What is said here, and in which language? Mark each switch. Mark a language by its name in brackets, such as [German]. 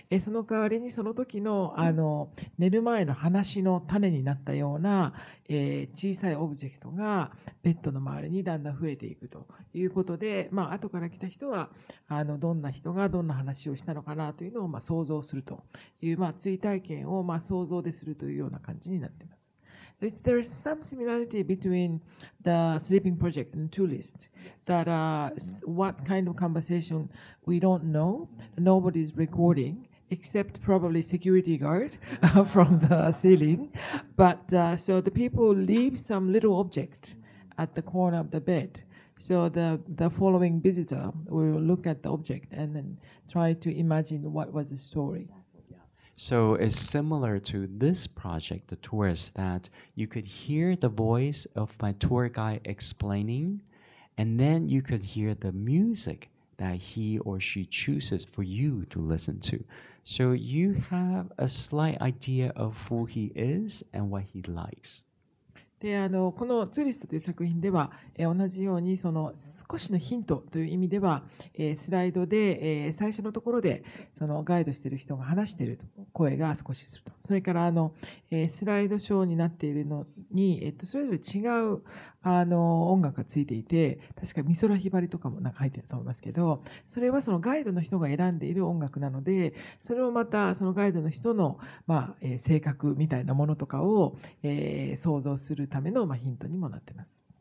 [Japanese] その代わりにその時 の、 寝る前の話の種になったような、小さいオブジェクトがベッドの周りにだんだん増えていくということで、まあ後から来た人はどんな人がどんな話をしたのかなというのをまあ想像するという、まあ、追体験をまあ想像でするというような感じになっています。 [English] So there is some similarity between the sleeping project and tourist that、what kind of conversation we don't know, nobody is recording. Except probably security guard from the ceiling. But、so the people leave some little object at the corner of the bed. So the following visitor will look at the object and then try to imagine what was the story. So it's similar to this project, the tourist, that you could hear the voice of my tour guide explaining, and then you could hear the music that he or she chooses for you to listen to. So you have a slight idea of who he is and what he likes. [Japanese] で、このツーリストという作品では、同じようにその少しのヒントという意味では、スライドで、最初のところでそのガイドしている人が話している声が少しすると。それから、スライドショーになっているのに、それぞれ違う音楽がついていて、確か美空ひばりとかもなんか入っていると思いますけど、それはそのガイドの人が選んでいる音楽なので、それをまたそのガイドの人の、まあ、性格みたいなものとかを、想像するための、まあ、ヒントにもなっています。